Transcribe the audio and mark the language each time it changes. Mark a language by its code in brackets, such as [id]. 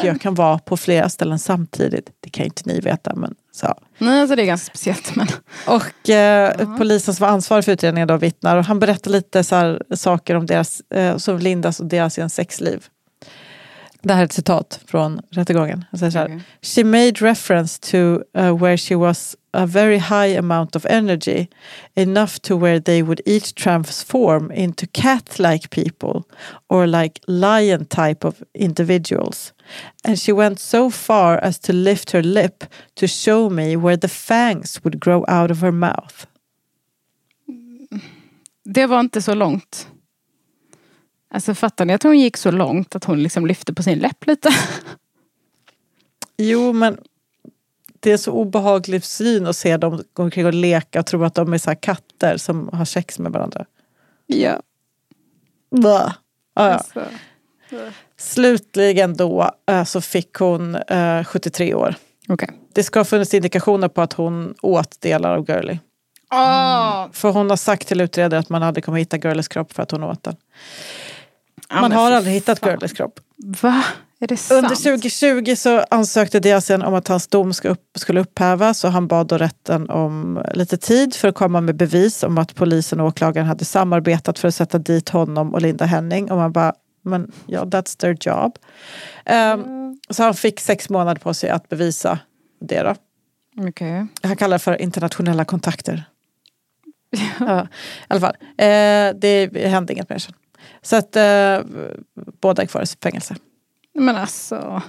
[sv] Och jag kan vara på flera ställen samtidigt. Det kan inte ni veta, men Så. Nej, alltså det är ganska speciellt. Men... Och polisen som var ansvarig för utredningen då vittnar. Och han berättar lite så här saker om deras, som Lindas och deras sexliv. Det här är ett citat från rättegången. Han säger så här. [en] She made reference to where she was a very high amount of energy. Enough to where they would each transform into cat-like people. Or like lion type of individuals. And she went so far as to lift her lip to show me where the fangs would grow out of her mouth. [sv] Det var inte så långt. Alltså fattar ni att hon gick så långt att hon liksom lyfte på sin läpp lite? Jo, men det är så obehaglig syn att se dem gå omkring och leka och tro att de är så här katter som har sex med varandra. Ja. Va? Ja, ja. Slutligen då så fick hon 73 år. Okay. Det ska ha funnits indikationer på att hon åt delar av Gurley. Oh. För hon har sagt till utredare att man aldrig kommer hitta Gurleys kropp för att hon åt den. Man har aldrig hittat Gurleys kropp. Va? Är det sant? Under 2020 så ansökte Diazian om att hans dom skulle upphävas. Så han bad då rätten om lite tid för att komma med bevis om att polisen och åklagaren hade samarbetat för att sätta dit honom och Linda Henning. Och man bara, men ja, [en] yeah, that's their job. [sv] Så han fick 6 månader på sig att bevisa det då. Okej. Okay. Han kallar för internationella kontakter. Ja. I alla fall. Det hände inget mer sen. Så att båda är kvar i fängelse. Men alltså...